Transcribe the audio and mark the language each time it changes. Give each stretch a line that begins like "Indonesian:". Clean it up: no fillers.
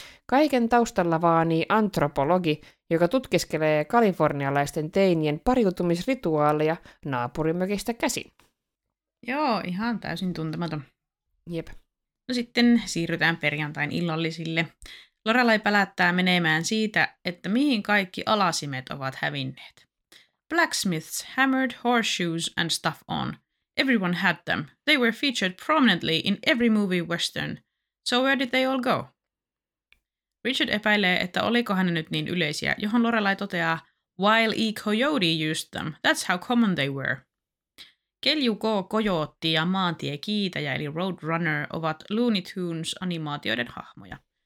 Finnish: Kaiken taustalla vaanii antropologi, joka tutkiskelee kalifornialaisten teinien pariutumisrituaaleja naapurimökistä käsin. Joo, ihan täysin tuntematon. Jep. No sitten siirrytään perjantain illallisille. Lorelai pelättää menemään siitä, että mihin kaikki alasimet ovat hävinneet.
English: Blacksmiths hammered horseshoes and stuff on. Everyone had them. They were featured prominently in every movie western. So where did they all go?
Finnish: Richard epäilee, että olikohan ne nyt niin yleisiä, johon Lorelai toteaa,
English: While E. Coyote used them. That's how common they were. Kelju K.
Finnish: Kojootti ja Maantie Kiitäjä eli Roadrunner ovat Looney Tunes animaatioiden hahmoja.